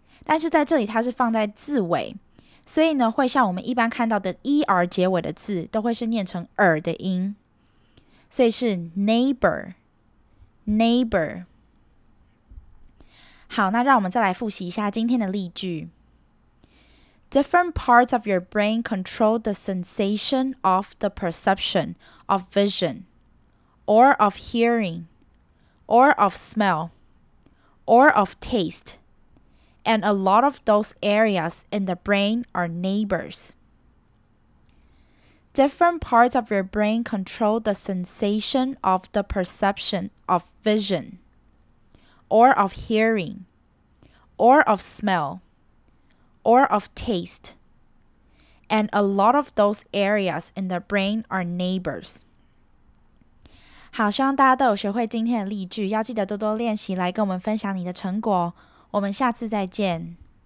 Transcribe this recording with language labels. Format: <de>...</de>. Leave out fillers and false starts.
<zh>但是在这里它是放在字尾。所以呢会像我们一般看到的 ER 结尾的字都会是念成 ER 的音。所以是 neighbor。好那让我们再来复习一下今天的例句。</zh> <en>Different parts of your brain control the sensation of the perception of vision, or of hearing, or of smell, or of taste. And a lot of those areas in the brain are neighbors. Different parts of your brain control the sensation of the perception of vision, or of hearing, or of smell. Or of taste. And a lot of those areas in the brain are neighbors.</en> <zh>好，希望大家都有学会今天的例句，要记得多多练习，来跟我们分享你的成果。我们下次再见。</zh>